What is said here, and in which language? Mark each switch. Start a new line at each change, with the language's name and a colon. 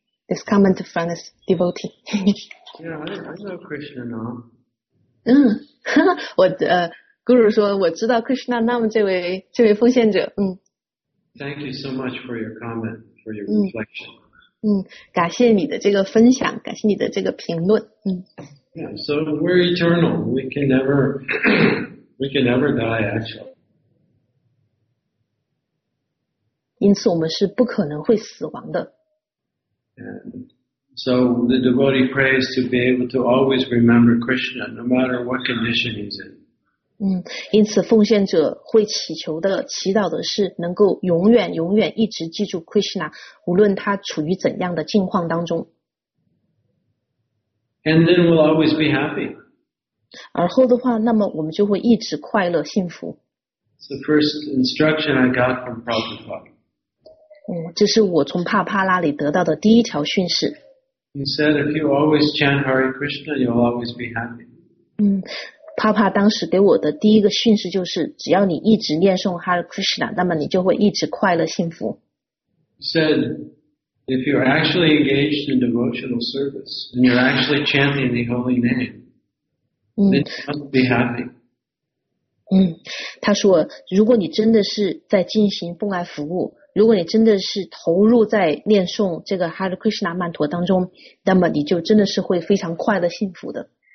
English: This comment from this devotee. Yeah, I know Krishna now.
Chinese: Guru 说我知道 Krishna Nam 这位奉献者。
English: Thank you so much for your comment, for your reflection.
Chinese: 感谢你的这个分享，感谢你的这个评论。
English: So we're eternal. We can never die, actually.
Chinese: 因此我们是不可能会死亡的。
English: And so the devotee prays to be able to always remember Krishna, no matter what condition he's in.
Chinese: 因此奉献者会祈祷的是能够永远永远一直记住 Krishna, 无论他处于怎样的境况当中。
English: And then we'll always be happy.
Chinese: 而后的话，那么我们就会一直快乐幸福。
English: It's the first instruction I got from Prabhupada.
Chinese: 这是我从帕帕那里得到的第一条训示。
English: He said, if you always chant Hare Krishna, you'll always be happy.
Chinese: 帕帕当时给我的第一个训示就是，只要你一直念诵 Hare Krishna, 那么你就会一直快乐幸福。
English: Said, if you're actually engaged in devotional service, and you're actually chanting the holy name, then you must be happy.
Chinese: 他说，如果你真的是在进行奉爱服务，如果你真的是投入在念诵这个 Hare Krishna 曼陀当中，那么你就真的是会非常快乐幸福的。